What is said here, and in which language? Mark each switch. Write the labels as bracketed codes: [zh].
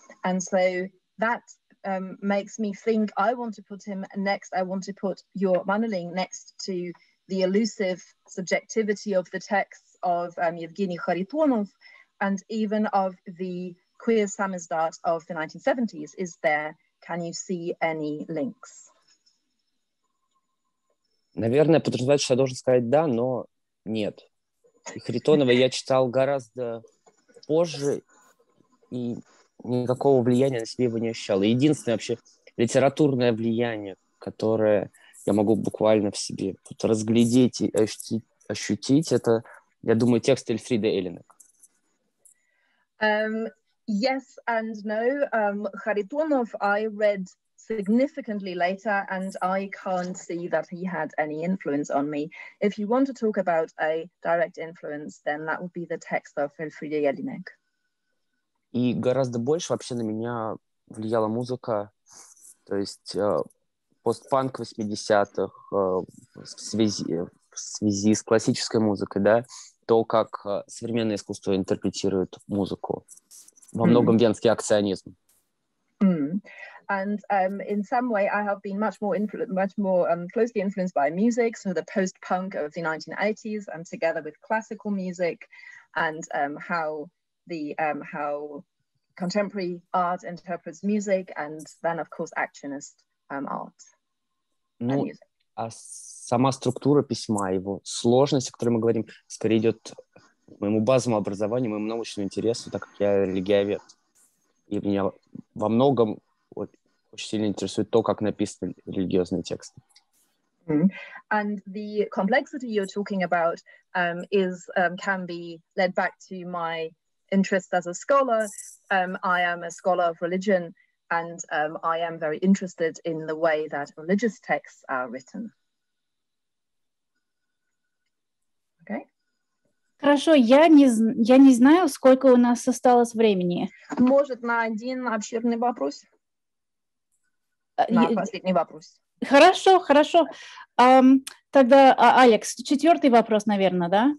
[en] And so that makes me think I want to put him next, I want to put your Manoling next to the elusive subjectivity of the texts of Yevgeny Kharitonov and even of the queer samizdat of the 1970s. Is there, can you see any links? [ru] Наверное, подразумевает, что я должен сказать да, но нет. И Харитонова я читал гораздо позже, и никакого влияния на себе его не ощущал. Единственное вообще литературное влияние, которое я могу буквально в себе разглядеть и ощутить, это, я думаю, текст Эльфриды Эллинек. [en] Yes and no. Харитонов I read significantly later, and I can't see that he had any influence on me. If you want to talk about a direct influence, then that would be the text of Эльфриды Эллинек. [ru] И гораздо больше вообще на меня влияла музыка, то есть постпанк 80-х в связи с классической музыкой, да, то, как современное искусство интерпретирует музыку, во многом венский акционизм. [en] And in some way, I have been much more closely influenced by music, so the post-punk of the 1980s, and together with classical music, and how contemporary art interprets music, and then of course actionist art. [ru] Ну, а сама структура письма, его сложность, о которой мы говорим, скорее идет к моему базовому образованию, моему научному интересу, так как я религиовед. И меня во многом вот, очень сильно интересует то, как написаны религиозные тексты. [en] And the complexity you're talking about can be led back to my interest as a scholar. I am a scholar of religion, and I am very interested in the way that religious texts are written. Okay. [ru] Хорошо, я не знаю, сколько у нас осталось времени. Может, на один обширный вопрос? Последний вопрос. Хорошо, хорошо. Тогда, Алекс, четвертый вопрос, наверное, да?